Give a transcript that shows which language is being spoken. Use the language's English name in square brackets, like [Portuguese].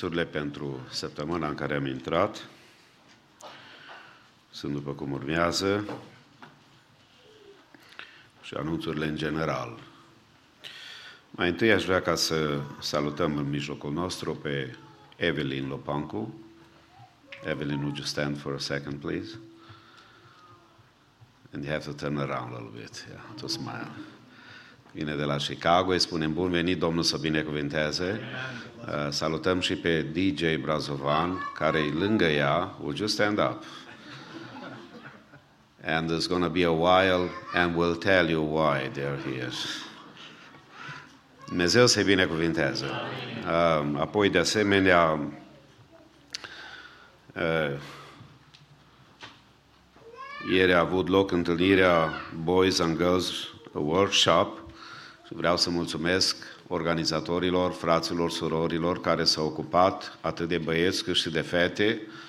[Romanian] pentru săptămâna în care am intrat. Sunt după cum urmează și anunțurile în general. Mai întâi aș vrea ca să salutăm în mijlocul nostru pe Evelyn Lopancu. [English] Evelyn, would you stand for a second, please? And you have to turn around a little bit, yeah, to smile. [Romanian] Vine de la Chicago, îi spunem bun venit, Domnul să binecuvinteze. Salutăm și pe DJ Brazovan, care e lângă ea. [English] Would you stand up? And there's going to be a while, and we'll tell you why they're here. [Romanian] Dumnezeu să-i binecuvinteze. Apoi, de asemenea, ieri a avut loc întâlnirea Boys and Girls Workshop și vreau să mulțumesc organizatorilor, fraților, surorilor care s-au ocupat atât de băieți cât și de fete.